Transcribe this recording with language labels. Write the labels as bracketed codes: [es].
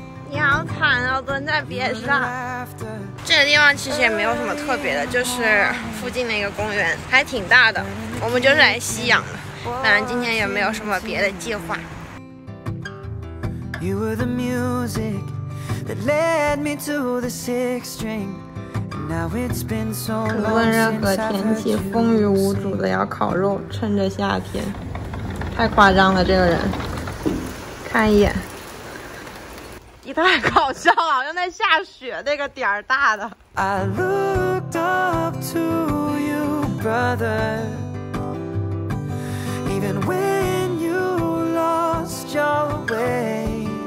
[zh] 你好惨啊，蹲在别上。这个地方其实也没有什么特别的，就是附近的一个公园，还挺大的。我们就是来吸氧的，反正今天也没有什么别的计划。 [en] You were the musicThat led me to the sixth string. Now it's been so long. [zh] 无论任何天气，风雨无阻的要烤肉，趁着夏天，太夸张了。这个人，看一眼，也太搞笑了，像在下雪那个点儿大的。 [en] I looked up to you, brother. Even when you lost your way.